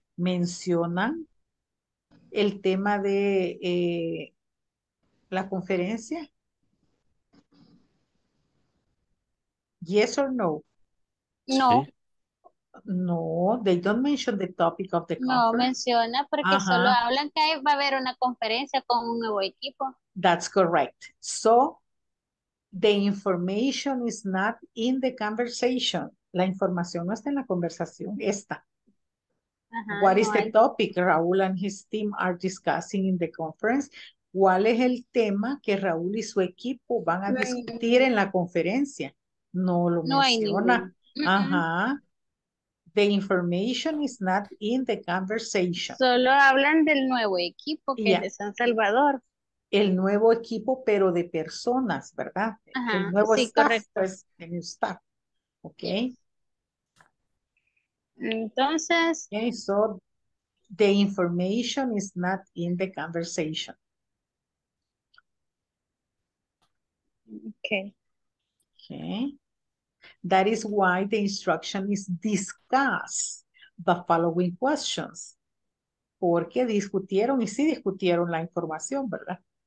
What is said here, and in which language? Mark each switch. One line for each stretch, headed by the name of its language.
Spanish: Mencionan el tema de la conferencia.
English: Yes or no? No. No, they don't mention the topic of the conference.
Spanish: No, menciona porque solo hablan que va a haber una conferencia con un nuevo equipo.
English: That's correct. So, the information is not in the conversation.
Spanish: La información no está en la conversación, esta.
English: What is the topic Raúl and his team are discussing in the conference?
Spanish: ¿Cuál es el tema que Raúl y su equipo van a discutir en la conferencia? No lo menciona. Ajá.
English: The information is not in the conversation.
Spanish: Solo hablan del nuevo equipo que es de San Salvador. El nuevo equipo, pero de personas, ¿verdad? Ajá. El nuevo sí, staff, correcto. Pues, el staff. Ok. Entonces.
English: Okay, so the information is not in the conversation. Okay. Okay. That is why the instruction is discuss the following questions.
Spanish: Porque discutieron y sí discutieron la información, ¿verdad?